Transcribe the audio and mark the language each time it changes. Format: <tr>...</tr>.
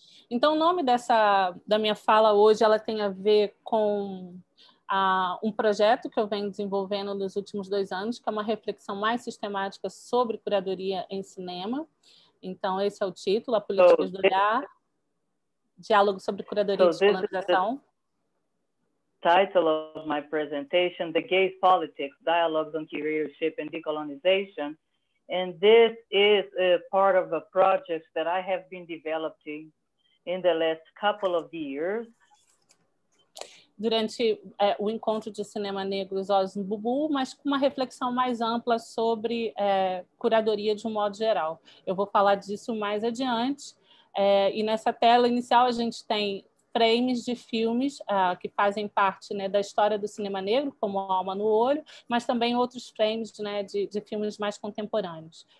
<pt>Então, o nome da minha fala hoje, ela tem a ver com um projeto que eu venho desenvolvendo nos últimos 2 anos, que é uma reflexão mais sistemática sobre curadoria em cinema. Então, esse é o título, A Política do Olhar, Diálogo sobre Curadoria e Descolonização.</pt> <en>Title of my presentation, The Gaze Politics, Dialogues on Curatorship and Decolonization. And this is a part of a project that I have been developing in the last couple of years.</en> <pt>Durante o encontro de cinema negro Zozimo Bulbul, mas com uma reflexão mais ampla sobre curadoria de um modo geral. Eu vou falar disso mais adiante. E nessa tela inicial a gente tem frames de filmes que fazem parte, né, da história do cinema negro, como A Alma no Olho, mas também outros frames, né, de filmes mais contemporâneos.</pt>